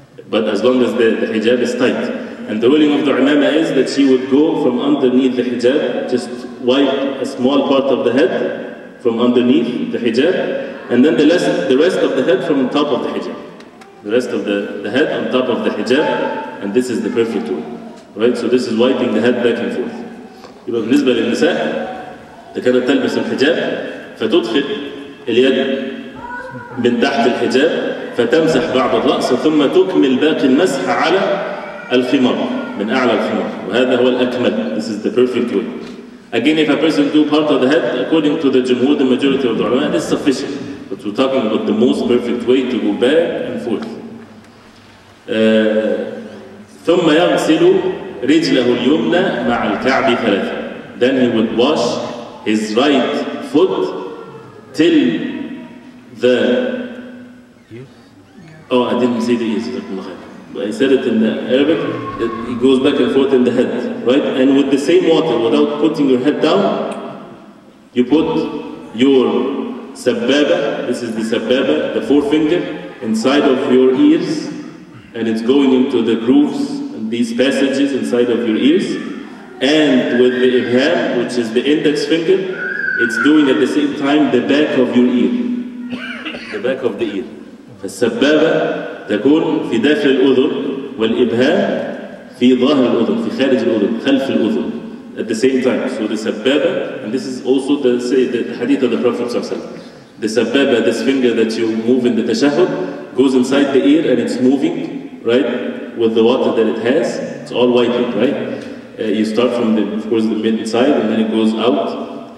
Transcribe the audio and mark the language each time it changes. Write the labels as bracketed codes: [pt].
[en] But as long as the hijab is tight. And the ruling of the imama is that she would go from underneath the hijab, just wipe a small part of the head from underneath the hijab, and then the rest of the head from on top of the hijab. The rest of the head on top of the hijab, and this is the perfect way. Right? So this is wiping the head back and forth. [ar] يبقى بالنسبة للنساء كانت تلبس الحجاب فتدخل اليد من تحت الحجاب فتمسح بعض الرأس ثم تكمل باقي المسح على الخمار من أعلى الخمار وهذا هو الأكمل. [en] This is the perfect way. Again, if a person do part of the head according to the jumhur, the majority of the ulama, it's sufficient. But we're talking about the most perfect way to go back and forth. [ar] ثم يغسل رجله اليمنى مع الكعب ثلاثة. [en] Then he would wash his right foot till the. Oh, I didn't say the yes. But I said it in the Arabic. It goes back and forth in the head, right? And with the same water, without putting your head down, you put your sababa. This is the sababa, the forefinger, inside of your ears, and it's going into the grooves. These passages inside of your ears, and with the ibham, which is the index finger, it's doing at the same time the back of your ear, the back of the ear. [ar] فالسبابة تكون في داخل الأذن والإبهام في ظاهر الأذن في خارج الأذن خلف الأذن [en] at the same time. So the سبابة, and this is also the hadith of the Prophet [ar] صلى الله عليه وسلم. [en] The سبابة, this finger that you move in the تشهد, goes inside the ear and it's moving, right? With the water that it has, it's all wiping, right? You start from the, of course, the mid side, and then it goes out.